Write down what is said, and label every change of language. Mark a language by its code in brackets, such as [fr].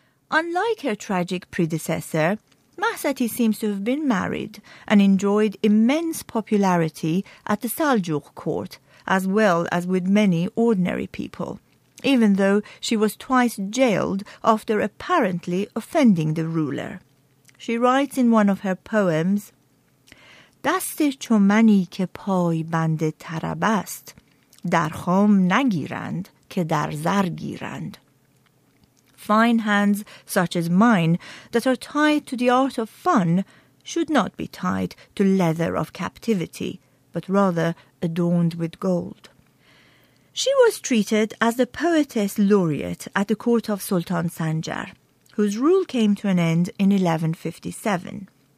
[en] Unlike her tragic predecessor, Mahsati seems to have been married and enjoyed immense popularity at the Saljuq court, as well as with many ordinary people, even though she was twice jailed after apparently offending the ruler. She writes in one of her poems, [fa] دست چومنی که پای بند طرب است در خام نگیرند که در زر گیرند. [en] Fine hands such as mine that are tied to the art of fun should not be tied to leather of captivity, but rather adorned with gold. She was treated as the poetess laureate at the court of Sultan Sanjar, whose rule came to an end in 1157.